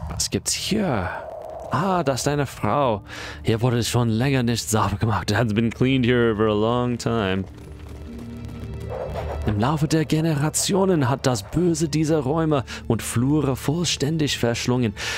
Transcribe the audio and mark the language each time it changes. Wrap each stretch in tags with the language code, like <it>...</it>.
<de>gibt's hier? Ah, das ist deine Frau. Hier wurde es schon länger nicht sauber gemacht.</de> <en>It hasn't been cleaned here for a long time.</en> <de>Im Laufe der Generationen hat das Böse diese Räume und Flure vollständig verschlungen.</de>